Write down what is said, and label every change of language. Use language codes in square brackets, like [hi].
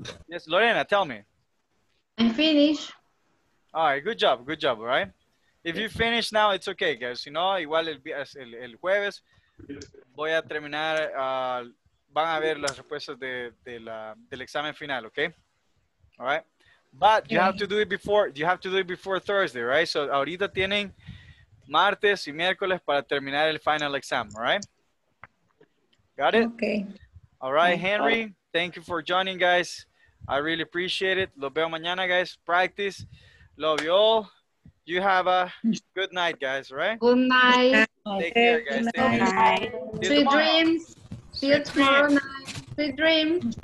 [en] Yes, Lorena, tell me. I'm finished. All right, good job, all right? If you finish now, it's okay, guys. [es] Si no, igual el jueves voy a terminar... van a ver las respuestas del examen final, okay? [en] All right? But you have to do it before, Thursday, right? [es] So ahorita tienen martes y miércoles para terminar el final exam, all right? [en] Got it? Okay. All right, Henry, thank you for joining, guys. I really appreciate it. [es] Los veo mañana, [en] guys. Practice. Love you all. You have a good night, guys, right? Good night. Take care, guys. Good night. Take care. Sweet dreams. See you tomorrow night. Sweet dreams.